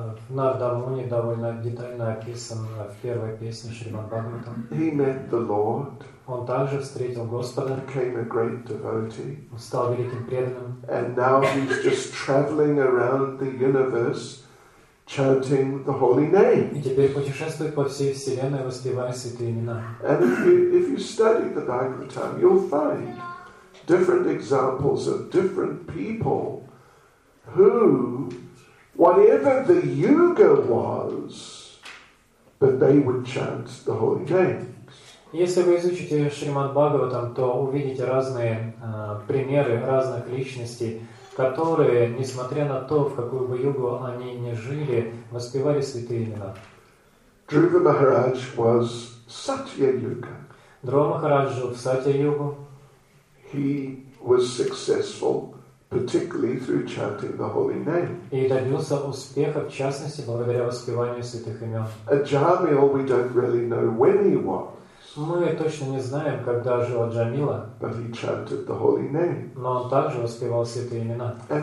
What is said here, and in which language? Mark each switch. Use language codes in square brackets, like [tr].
[ru] Narada Muni довольно детально описан в первой песне Шримад Бхагаватам. [en] He met the Lord. [ru] Он также встретил Господа. [en] Became a great devotee. [ru] Он стал великим преданным. [en] And now he's just traveling around the universe, chanting the holy name. [ru] И теперь путешествует по всей вселенной, воспевая святые имена. [en] And if you study the Bhagavatam, you'll find different examples of different people who, whatever the yuga was, but they would chant the holy names. [ru] Если вы изучите Шримад Бхагаватам, то увидите разные примеры разных личностей, которые, несмотря на то, в какую бы югу они ни жили, воспевали святые имена. [en] Dhruva Maharaj was Satya Yuga. [ru] Dhruva Maharaj жил в Сатья Югу. [en] He was successful, particularly through chanting the holy name. [ru] И добился успеха, в частности, благодаря воспеванию святых имен. [en] Аджамил, we don't really know when he was. [ru] Мы точно не знаем, когда жил Аджамила, но он также воспевал святые имена.